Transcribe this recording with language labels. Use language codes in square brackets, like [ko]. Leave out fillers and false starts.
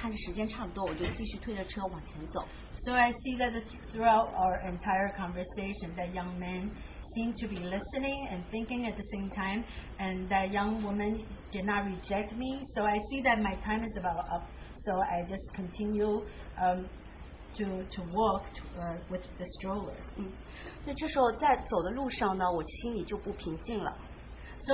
[zh] 那我看整个过程的那个弟兄，他也是若有所思的在听。那个女孩呢，她好像也没有准备要回答我，所以我看时间差不多，我就继续推着车往前走。 [en] So I see that throughout our entire conversation, that young man seemed to be listening and thinking at the same time, and that young woman did not reject me. So I see that my time is about up. So I just continue to walk with the stroller. [zh] 那这时候在走的路上呢，我心里就不平静了。So